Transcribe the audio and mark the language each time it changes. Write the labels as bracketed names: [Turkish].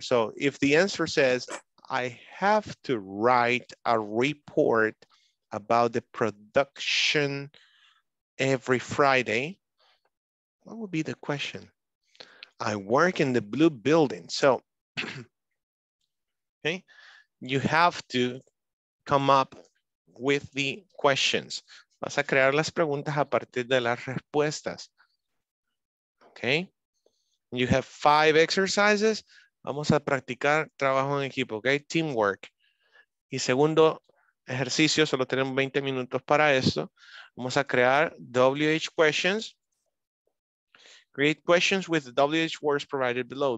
[English] So, if the answer says, I have to write a report about the production every Friday, what would be the question? I work in the blue building. So, okay, you have to come up with the questions. [Spanish] Vas a crear las preguntas a partir de las respuestas. [English] Okay. You have 5 exercises. [Spanish] Vamos a practicar trabajo en equipo. [English] Okay. Teamwork. [Spanish] Y segundo ejercicio, solo tenemos 20 minutos para esto. Vamos a crear WH questions. [English] Create questions with the WH words provided below.